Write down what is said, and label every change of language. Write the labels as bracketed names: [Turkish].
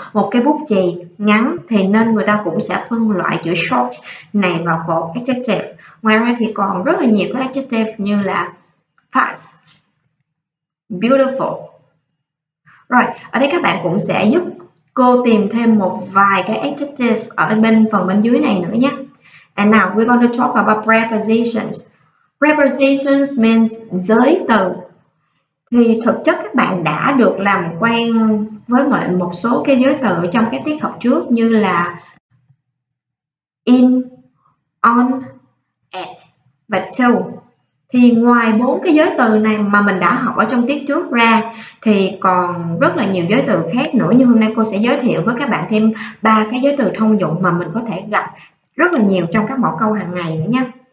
[Vietnamese] Một cái bút chì ngắn thì nên người ta cũng sẽ phân loại chữ short này vào cột adjective. Ngoài ra thì còn rất là nhiều các adjective như là fast, beautiful. Rồi, ở đây các bạn cũng sẽ giúp cô tìm thêm một vài cái adjective ở bên phần bên dưới này nữa nhé. [English] And now we're going to talk about prepositions. Prepositions means giới từ. [Vietnamese] Thì thực chất các bạn đã được làm quen với một số cái giới từ trong các tiết học trước như là in, on, at và to. Thì ngoài bốn cái giới từ này mà mình đã học ở trong tiết trước ra thì còn rất là nhiều giới từ khác nữa, nhưng hôm nay cô sẽ giới thiệu với các bạn thêm ba cái giới từ thông dụng mà mình có thể gặp rất là nhiều trong các mẫu câu hàng ngày nữa nha.